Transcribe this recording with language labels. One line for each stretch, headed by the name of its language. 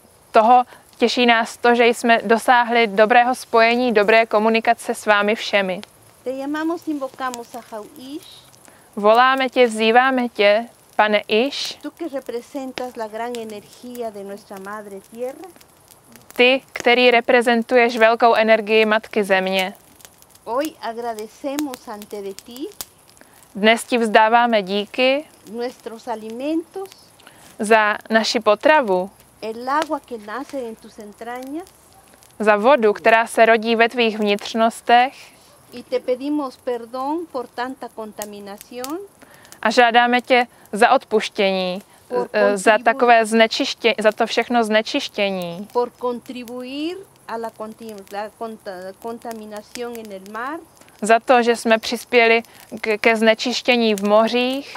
Czech: Toho těší nás to, že jsme dosáhli dobrého spojení, dobré komunikace s vámi všemi.
Spanish: Te llamamos, invocamos a Jauíš.
Czech: Voláme tě, vzýváme tě, pane Iš.
Spanish: Tú que representas la gran energía de nuestra madre tierra.
Czech: Ty, který reprezentuješ velkou energii Matky Země.
Spanish: Hoy agradecemos ante de ti.
Czech: Dnes ti vzdáváme díky.
Spanish: Nuestros alimentos.
Czech: Za naši potravu.
Spanish: El agua que nace en tus entrañas.
Czech: Za vodu, která se rodí ve tvých vnitřnostech.
Spanish: Y te pedimos perdón por tanta contaminación.
Czech: A žádáme tě za odpuštění, za takové znečištění, za to všechno znečištění.
Spanish: Por contribuir a la contaminación en el mar.
Czech: Za to, že jsme přispěli ke znečištění v mořích,